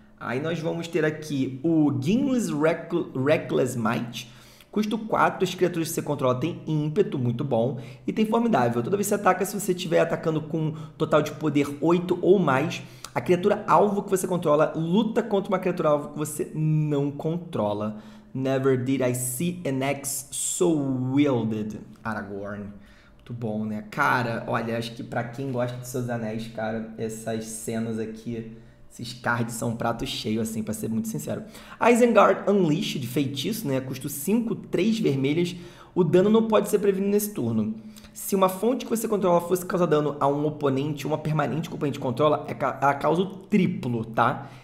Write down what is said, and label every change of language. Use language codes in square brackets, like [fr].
[pt] Aí nós vamos ter aqui o Gimli's Reckless Might. Custo 4, as criaturas que você controla têm ímpeto, muito bom. E tem formidável. Toda vez que você ataca, se você estiver atacando com total de poder 8 ou mais, a criatura alvo que você controla luta contra uma criatura alvo que você não controla. [en] Never did I see an axe so wielded, Aragorn. [pt] Muito bom, né? Cara, olha, acho que para quem gosta de Senhor dos Anéis, cara, essas cenas aqui. Esses cards são um prato cheio, assim, para ser muito sincero. A Isengard Unleashed, de feitiço, né? Custa 5, 3 vermelhas. O dano não pode ser prevenido nesse turno. Se uma fonte que você controla fosse causar dano a um oponente, uma permanente que o oponente controla, ela causa o triplo, tá?